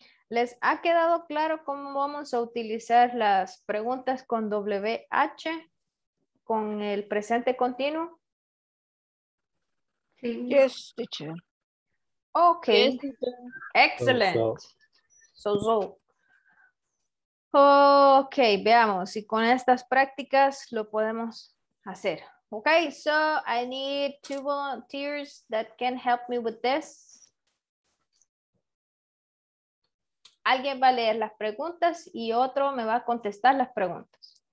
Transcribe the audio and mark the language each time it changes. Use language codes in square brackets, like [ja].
[es] ¿Les ha quedado claro cómo vamos a utilizar las preguntas con WH, con el presente continuo? [en] Sí. Yes, teacher. Ok. Yes, teacher. Excellent. So. [es] Ok, veamos si con estas prácticas lo podemos hacer. [en] Ok, so I need two volunteers that can help me with this. [es] Alguien va a leer las preguntas y otro me va a contestar las preguntas.